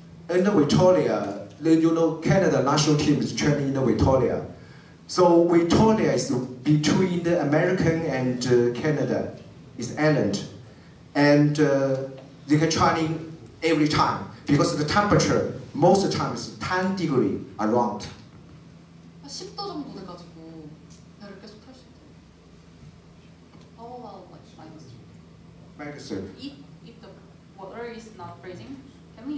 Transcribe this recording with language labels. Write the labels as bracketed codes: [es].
[en] In the Victoria, then you know Canada national team is training in the Victoria. So Victoria is between the American and Canada, is island. And they can train every time because the temperature most of the time is 10 degree around. [ko] 10도 정도 돼가지고 배를 계속 탈 수 있어요. [en] How about minus 2? If the water is not freezing, can we?